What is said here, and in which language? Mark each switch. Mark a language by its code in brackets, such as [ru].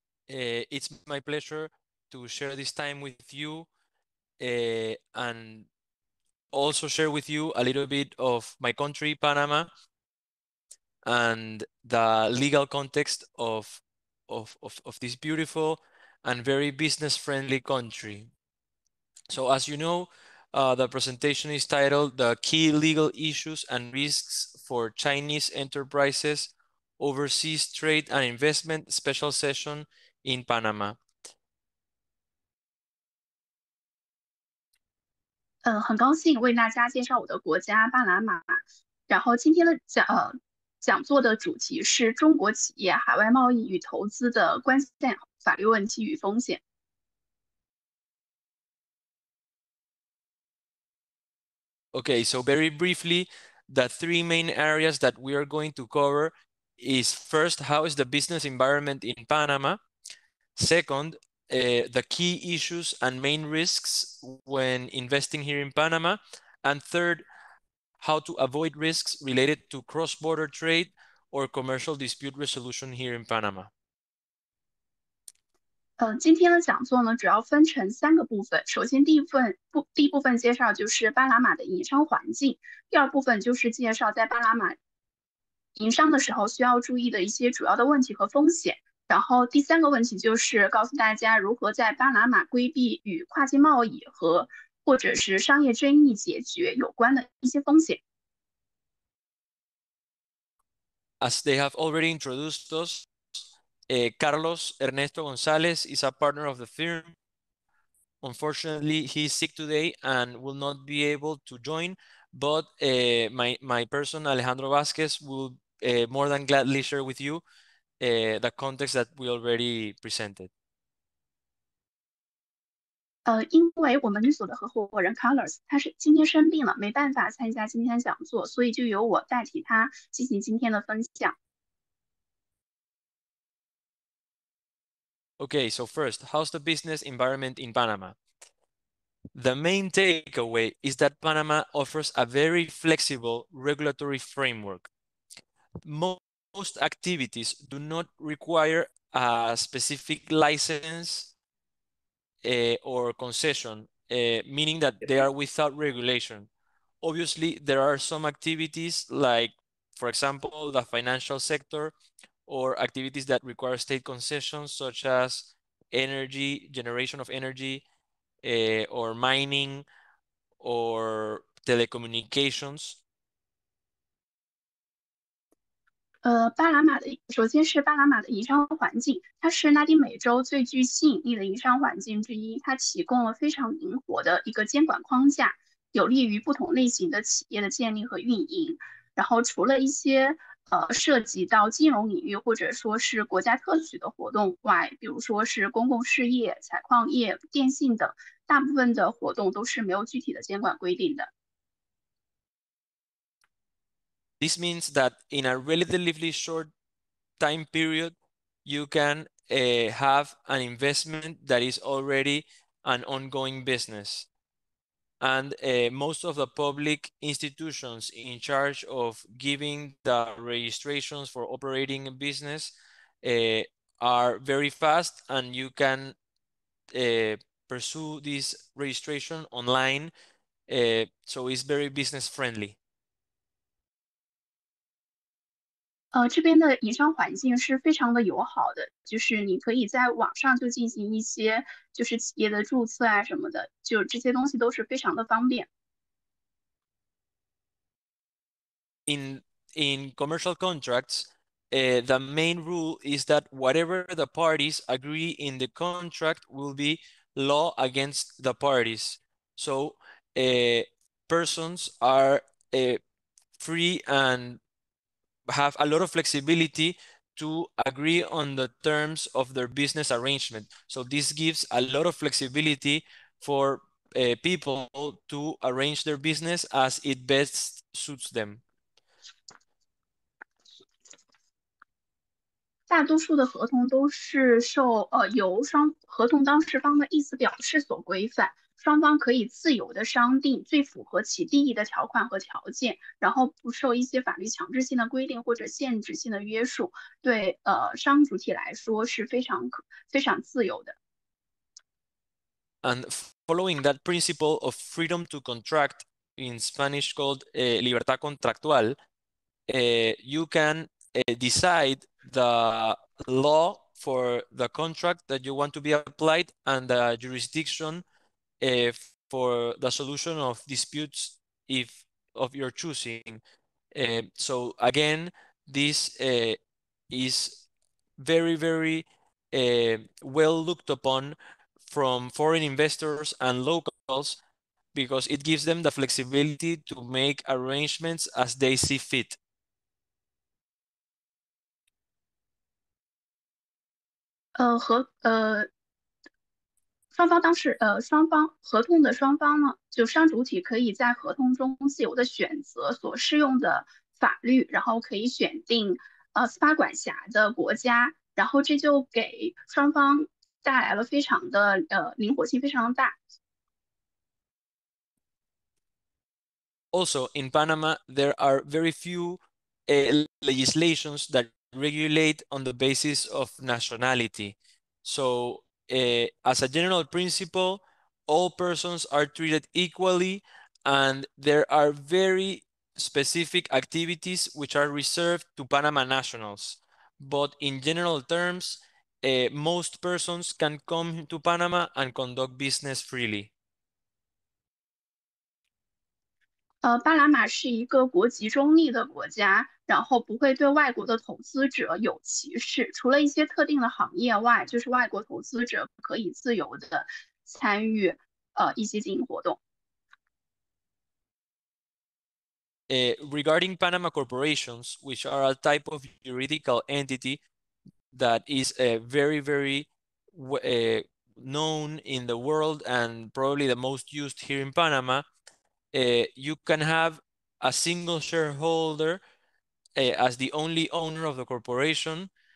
[en] It's my pleasure to share this time with you and also share with you a little bit of my country, Panama, and the legal context of this beautiful and very business-friendly country. So, as you know, the presentation is titled "The Key Legal Issues and Risks for Chinese Enterprises Overseas Trade and Investment Special Session in Panama." [zh] 很高兴为大家介绍我的国家巴拿马。然后今天的讲座的主题是中国企业海外贸易与投资的关键法律问题与风险。 [en] Okay, so very briefly, the three main areas that we are going to cover is first, how is the business environment in Panama? Second, the key issues and main risks when investing here in Panama. And third, how to avoid risks related to cross-border trade or commercial dispute resolution here in Panama. [zh] 今天的讲座呢，主要分成三个部分。首先第一部分介绍就是巴拿马的营商环境。第二部分就是介绍在巴拿马营商的时候需要注意的一些主要的问题和风险。然后第三个问题就是告诉大家如何在巴拿马规避与跨境贸易和或者是商业争议解决有关的一些风险。 [en] As they have already introduced us, Carlos Ernesto González is a partner of the firm. Unfortunately, he is sick today and will not be able to join, but my person, Alejandro Vázquez, will more than gladly share with you the context that we already presented. [zh] 因为我们律所的合伙人 Carlos 他是今天生病了，没办法参加今天讲座，所以就由我代替他进行今天的分享。 [en] Okay, so first, how's the business environment in Panama? The main takeaway is that Panama offers a very flexible regulatory framework. Most activities do not require a specific license. Or concession, meaning that they are without regulation. Obviously, there are some activities like, for example, the financial sector or activities that require state concessions, such as energy, generation of energy, or mining, or telecommunications. [zh] 巴拿马的首先是巴拿马的营商环境，它是拉丁美洲最具吸引力的营商环境之一，它提供了非常灵活的一个监管框架，有利于不同类型的企业的建立和运营。然后除了一些涉及到金融领域或者说是国家特许的活动外，比如说是公共事业、采矿业、电信等，大部分的活动都是没有具体的监管规定的。 [en] This means that in a relatively short time period, you can have an investment that is already an ongoing business. And most of the public institutions in charge of giving the registrations for operating a business are very fast, and you can pursue this registration online. So it's very business friendly. [zh] 这边的营商环境是非常的友好的，就是你可以在网上就进行一些就是企业的注册啊什么的，就这些东西都是非常的方便。 [en] In commercial contracts, the main rule is that whatever the parties agree in the contract will be law against the parties. So, persons are free andhave a lot of flexibility to agree on the terms of their business arrangement. So this gives a lot of flexibility for people to arrange their business as it best suits them. [zh] 大多数的合同都是受由双合同当事方的意思表示所规范。双方可以自由的商定最符合其利益的条款和条件，然后不受一些法律强制性的规定或者限制性的约束，对商主体来说是非常自由的。 [en] And following that principle of freedom to contract, in Spanish called [es] libertad contractual, [en] you can decide the law for the contract that you want to be applied and the jurisdiction. For the solution of disputes if of your choosing. So again, this is very, very well looked upon from foreign investors and locals because it gives them the flexibility to make arrangements as they see fit. [zh] Uh, 双方合同的双方呢，就商主体可以在合同中自由的选择所适用的法律，然后可以选定司法管辖的国家，然后这就给双方带来了非常的灵活性非常大。 [en] Also, in Panama, there are very few legislations that regulate on the basis of nationality. So, as a general principle, all persons are treated equally, and there are very specific activities which are reserved to Panama nationals. But in general terms, most persons can come to Panama and conduct business freely. [zh] 巴拿马是一个国籍中立的国家，然后不会对外国的投资者有歧视，除了一些特定的行业外，就是外国投资者可以自由的参与一些经营活动。 [en] Regarding Panama corporations, which are a type of juridical entity that is very, very known in the world and probably the most used here in Panama, you can have a single shareholder as the only owner of the corporation.